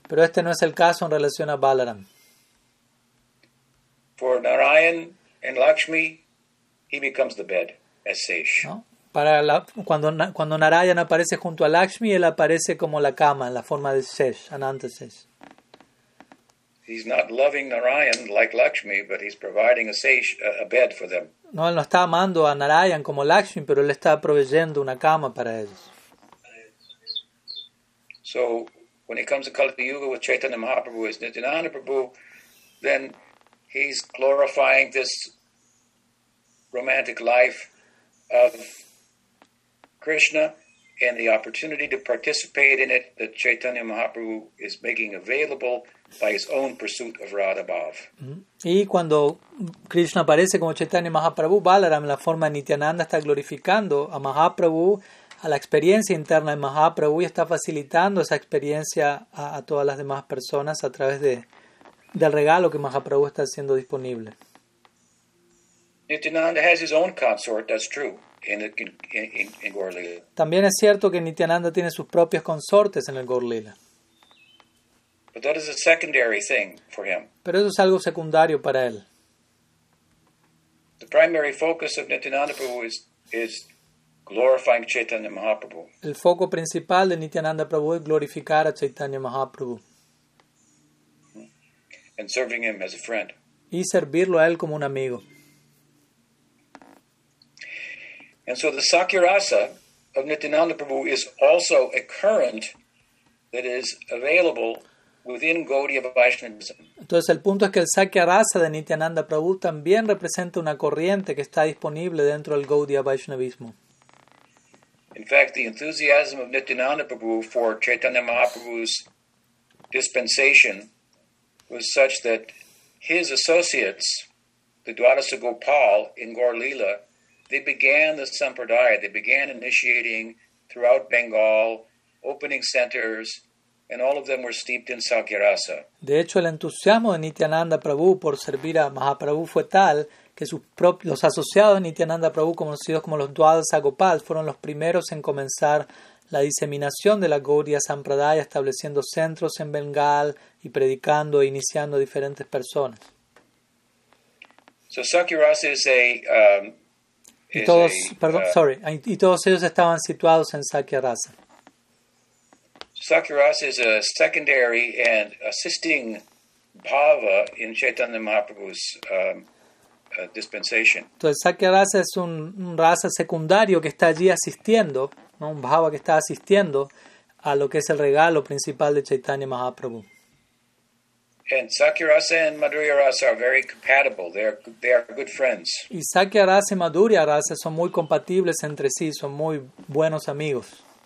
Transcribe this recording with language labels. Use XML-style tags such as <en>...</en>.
<es>Pero este no es el caso en relación a Balaram.</es> <en>For Narayan and Lakshmi, he becomes the bed, as Sesh.</en> <es>¿No? Cuando Narayan aparece junto a Lakshmi, él aparece como la cama, en la forma de Sesh, Ananta Sesh.</es> <en>He's not loving Narayan like Lakshmi, but he's providing a Sesh, a bed for them.</en> <es>No, él no está amando a Narayan como Lakshmi, pero él está proveyendo una cama para ellos.</es> <en>So, when it comes to Kali Yuga with Chaitanya Mahaprabhu as Nityananda Prabhu, then he's glorifying this romantic life of Krishna and the opportunity to participate in it that Chaitanya Mahaprabhu is making available by his own pursuit of Radha Bhav.</en> <es>Y cuando Krishna aparece como Chaitanya Mahaprabhu, Balaram en la forma de Nityananda está glorificando a Mahaprabhu, a la experiencia interna de Mahaprabhu y está facilitando esa experiencia a todas las demás personas a través del regalo que Mahaprabhu está haciendo disponible.</es> <en>Nityananda has his own consort, that's true. In Gaur Lila.</en> <es>También es cierto que Nityananda tiene sus propios consortes en el Gaur Lila.</es> <en>But that is a secondary thing for him.</en> <es>Pero eso es algo secundario para él.</es> <en>The primary focus of Nityananda Prabhu is glorifying Chaitanya Mahaprabhu.</en> <es>El foco principal de Nityananda Prabhu es glorificar a Chaitanya Mahaprabhu.</es> <en>And serving him as a friend.</en> <es>Y servirlo a él como un amigo.</es> <en>And so the Sakya Rasa of Nityananda Prabhu is also a current that is available within Gaudiya Vaishnavism.</en> <es>Entonces el punto es que el Sakya Rasa de Nityananda Prabhu también representa una corriente que está disponible dentro del Gaudiya Vaishnavismo.</es> <en>In fact, the enthusiasm of Nityananda Prabhu for Chaitanya Mahaprabhu's dispensation was such that his associates, the Dwadasa Gopal in Gaur Lila, they began the Sampradaya. They began initiating throughout Bengal, opening centers, and all of them were steeped in Sakya Rasa.</en> <es>De hecho, el entusiasmo de Nityananda Prabhu por servir a Mahaprabhu fue tal que sus propios, los asociados de Nityananda Prabhu, conocidos como los Dwadasa Gopal, fueron los primeros en comenzar la diseminación de la Gaudiya Sampradaya, estableciendo centros en Bengal y predicando e iniciando a diferentes personas.</es> <en>So Sakya Rasa is a...</en> <es>Y todos ellos estaban situados en Sakya Rasa.</es> <en>Sakya Rasa is a secondary and assisting bhava in Chaitanya Mahaprabhu's dispensation.</en> <es>Entonces Sakya Rasa es un rasa secundario que está allí asistiendo, ¿no? Un bhava que está asistiendo a lo que es el regalo principal de Chaitanya Mahaprabhu.</es> <en>And Sakya Rasa and Madhurya Rasa are very compatible. They are good friends.</en> <es>Y Sakya Rasa y Madhurya Rasa son muy compatibles entre sí, son muy buenos amigos.</es>